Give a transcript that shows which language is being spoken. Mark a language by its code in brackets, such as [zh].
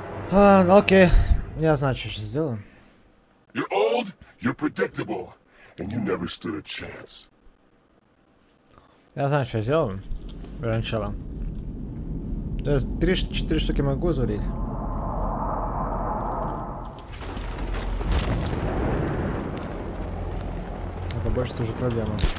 [ru] Окей, я знаю, что сейчас сделаю. [en] You're old, you're predictable, and you never stood a chance. [ru] Я знаю, что сделаю. Раньше. То есть 3-4 штуки могу залить. А побольше тоже проблема.